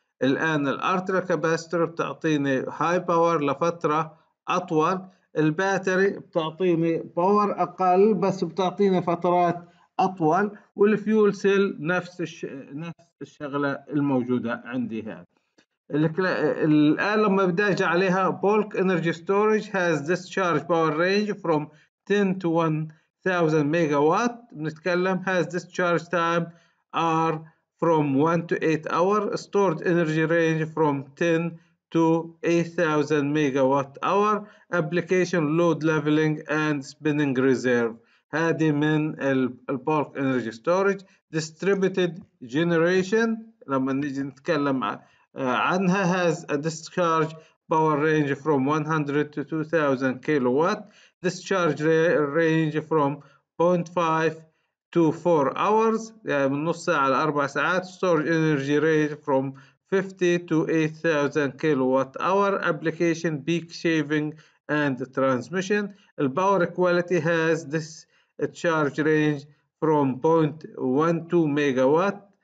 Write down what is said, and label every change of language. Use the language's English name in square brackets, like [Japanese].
[Arabic] الآن الألترا كاباستور بتعطيني هاي باور لفترة أطول، الباتري بتعطيني باور أقل بس بتعطيني فترات أطول، والفيول سيل نفس الشغلة الموجودة عندي هاي. الآن لما بداجع عليها [English] بولك energy storage has discharge power range from 10 to 1000 megawatt, [Arabic] بنتكلم [English] has discharge time are from 1 to 8 hour. Stored energy range from 10 to 8000 megawatt hour. Application load leveling and spinning reserve. [Arabic] هذه من ال bulk energy storage. [English] Distributed generation [Arabic] لما نيجي نتكلم عنها [English] has a discharge power range from 100 to 2000 kilowatt. Discharge range from 0.5 to 4 hours, [Arabic] يعني من نص ساعة لأربع ساعات. [English] Storage energy rate from 50 to 8000 kilowatt hour. Application peak shaving and transmission. The power quality has this charge range from 0.12 megawatt.